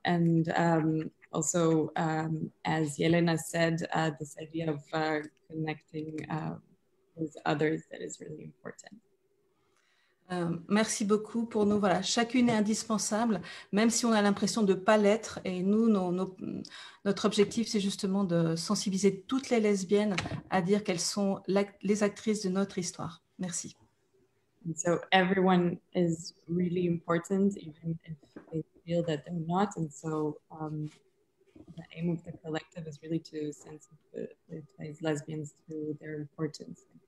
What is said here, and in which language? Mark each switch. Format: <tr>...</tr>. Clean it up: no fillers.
<en>And also, as Yelena said, this idea of connecting with others that is really important.</en> <fr>Merci beaucoup. Pour nous, voilà, chacune est indispensable, même si on a l'impression de ne pas l'être. Et nous, notre objectif, c'est justement de sensibiliser toutes les lesbiennes à dire qu'elles sont les actrices de notre histoire. Merci.</fr> <en>And so everyone is really important, even if they feel that they're not. And so the aim of the collective is really to sensitize lesbians to their importance.</en>